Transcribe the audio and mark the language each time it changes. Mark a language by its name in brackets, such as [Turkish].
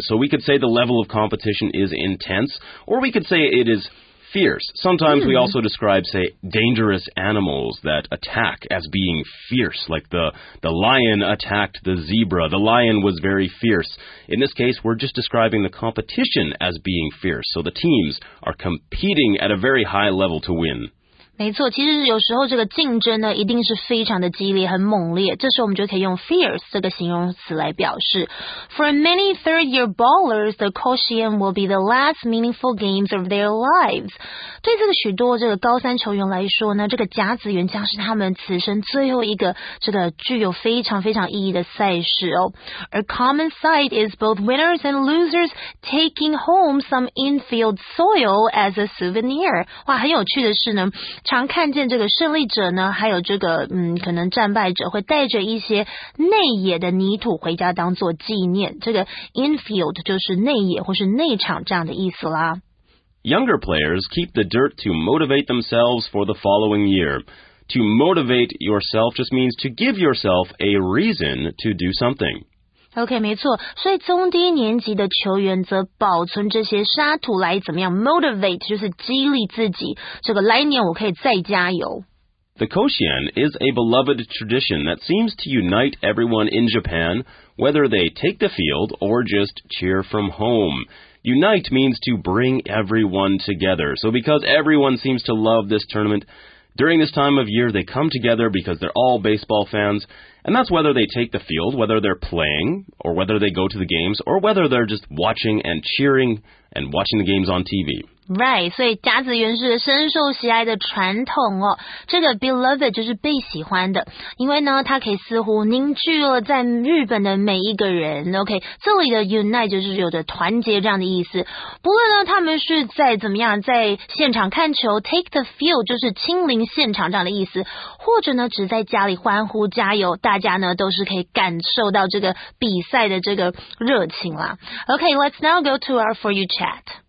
[English] So we could say the level of competition is intense, or we could say it is... Fierce. Sometimes we also describe, say, dangerous animals that attack as being fierce, like the lion attacked the zebra. The lion was very fierce. In this case, we're just describing the competition as being fierce. So the teams are competing at a very high level to win. [Chinese] 没错，其实有时候这个竞争呢，一定是非常的激烈、很猛烈。这时候我们就可以用 fierce 这个形容词来表示。 [English] For many third-year ballers, the Coliseum will be the last meaningful games of their lives. [Chinese] 对这个许多这个高三球员来说呢，这个甲子园将是他们此生最后一个这个具有非常非常意义的赛事哦。 [English] A common sight is both winners and losers taking home some infield soil as a souvenir. [Chinese] 哇，很有趣的是呢。常看见这个胜利者呢，还有这个可能战败者会带着一些内野的泥土回家当做纪念。这个 infield 就是内野或是内场这样的意思啦。 [English] Younger players keep the dirt to motivate themselves for the following year. To motivate yourself just means to give yourself a reason to do something. [Chinese] OK, 没错。所以中低年级的球员则保存这些沙土来怎么样 motivate, 就是激励自己。这个来年我可以再加油。 [English] The Koshien is a beloved tradition that seems to unite everyone in Japan, whether they take the field or just cheer from home. Unite means to bring everyone together. So because everyone seems to love this tournament, during this time of year they come together because they're all baseball fans, and that's whether they take the field, whether they're playing, or whether they go to the games, or whether they're just watching and cheering and watching the games on TV. [Chinese] Right, 所以甲子园是深受喜爱的传统哦。这个 beloved 就是被喜欢的，因为呢，它可以似乎凝聚了在日本的每一个人。 OK, 这里的 unite 就是有着团结这样的意思。不论呢，他们是在怎么样，在现场看球 ， [English] take the field [Chinese] 就是亲临现场这样的意思，或者呢，只在家里欢呼加油，大家呢都是可以感受到这个比赛的这个热情啦。 [English] OK, let's now go to our for you chat.